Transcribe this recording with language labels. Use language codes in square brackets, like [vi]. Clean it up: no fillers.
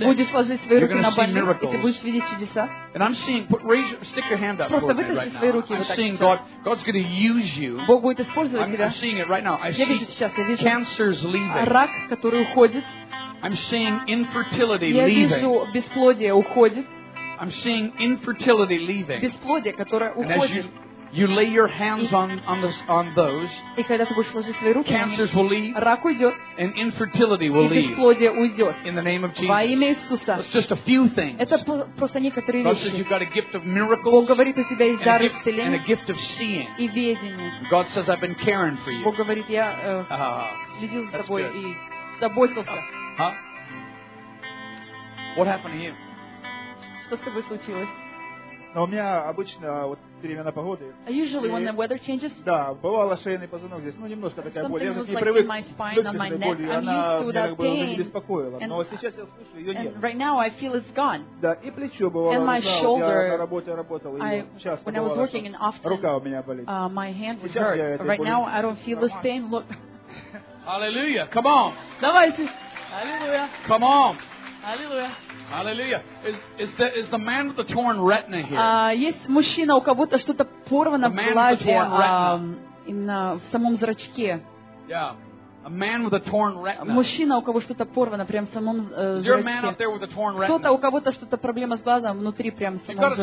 [ru] Ты будешь ложить свои руки на больных. Ты будешь видеть чудеса. [en] And I'm seeing, stick your hand up for me right now. [ru] Руки, [en] I'm seeing God. God's going to use you. [ru] Бог будет использовать тебя. [en] I'm seeing it right now. [ru] Я вижу сейчас. Я вижу. [en] Cancer's leaving. [ru] Рак, который уходит. [en] I'm seeing infertility [ru] я [en] leaving. [ru] Я вижу бесплодие уходит. [en] I'm seeing infertility leaving. [ru] Бесплодие, которое уходит. [en] And as you lay your hands on those. [ru] И когда ты будешь ложить свои руки. [en] Cancers will leave. [ru] Рак уйдет. [en] And infertility will leave. [ru] И бесплодие уйдет. [en] In the name of Jesus. [ru] Во имя Иисуса. [en] It's just a few things. [ru] Это просто некоторые вещи. [en] God says you've got a gift of miracles. [ru] Бог говорит, у тебя есть дар исцеления. [en] And a gift of seeing. [ru] И видение. [en] God says I've been caring for you. [ru] Бог говорит, я следил за тобой и заботился. [en] Huh? What happened to you? [ru] Что с тобой случилось? Но у меня обычно вот перемена погоды. [en] Usually when the weather changes. [ru] Да, бывало шейный позвонок здесь, ну немножко такая боль. Я же не привык к шейной боли, она меня как бы не беспокоила. Но сейчас я слышу, ее нет. [en] Right now I feel it's gone. [ru] Да, и плечо бывало. [en] And my shoulder. [ru] Я на работе работал и часто [en] when I was working and often. [ru] Рука у меня болит. [en] My hands hurt. Right now I don't feel this pain. Look. Hallelujah! Come on. [ru] Давайте. [en] Hallelujah. Come on. Hallelujah. Hallelujah. Is the man with the torn retina here? [ru] Есть мужчина, у кого-то что-то порвано в глазе, в самом зрачке. [en] Yeah. A man with a torn retina. [ru] Мужчина, у кого что-то порвано прямо в самом зрачке. [en] Is there a man out there with a torn retina? [ru] Кто-то, у кого-то что-то проблема с глазом внутри прямо в самом зрачке.